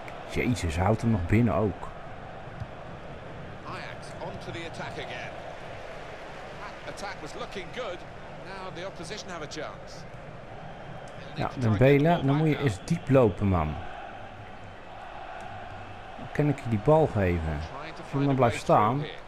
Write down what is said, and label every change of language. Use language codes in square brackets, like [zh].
[nl] Jezus, houdt hem nog binnen ook. [en] Ajax onto the attack again. Attack was looking good. Now the opposition have a chance. [nl] Ja, Dembele, dan moet je eens diep lopen, man. Dan kan ik je die bal geven. Je moet maar blijven staan.